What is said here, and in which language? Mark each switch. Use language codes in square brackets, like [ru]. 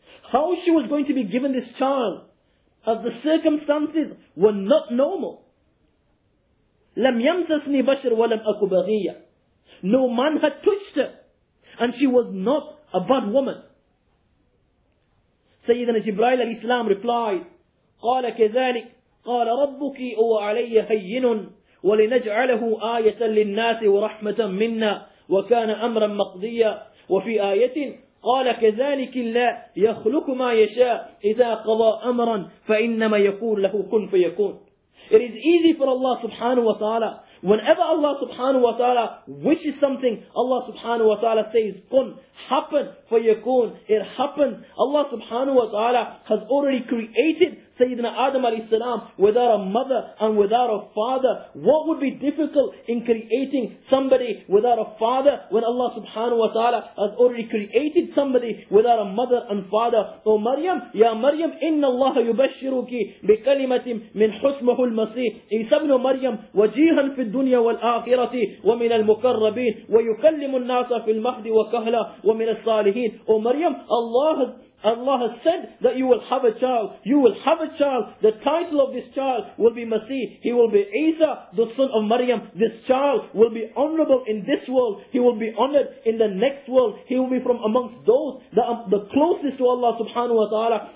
[en] How she was going to be given this child, as the circumstances were not normal. [ar] لَمْ يَمْسَسْنِي بَشْرْ وَلَمْ أَكُ بَغِيَّ. [en] No man had touched her, and she was not a bad woman. Sayyidina Jibreel alayhi salam replied, [ar] قَالَ كَذَلِكَ قال ربك هو علي هين ولنجعله آية للناس ورحمة منا وكان أمرا مقضيا. وفي آية قال كذلك الله يخلق ما يشاء إذا قضى أمرا فإنما يقول له كن فيكون. [en] It is easy for Allah subhanahu wa ta'ala. Whenever Allah subhanahu wa ta'ala wishes something, Allah subhanahu wa ta'ala says, kun, happen, fayakun, it happens. Allah subhanahu wa ta'ala has already created Sayyidina Adam alayhi salam without a mother and without a father. What would be difficult in creating somebody without a father when Allah subhanahu wa ta'ala has already created somebody without a mother and father? O Maryam, [ar] ya Maryam, inna Allah yubashiruki bi kalimatim min husmahu al-masih. Isa ibn Maryam, wajihan في الدنيا والآخرة ومن المقربين ويكلم الناس في المهد وكهلا ومن الصالحين. [en] O Maryam, Allah has said that you will have a child. You will have a child. The title of this child will be Masih. He will be Isa, the son of Maryam. This child will be honorable in this world. He will be honored in the next world. He will be from amongst those that are the closest to Allah subhanahu wa ta'ala.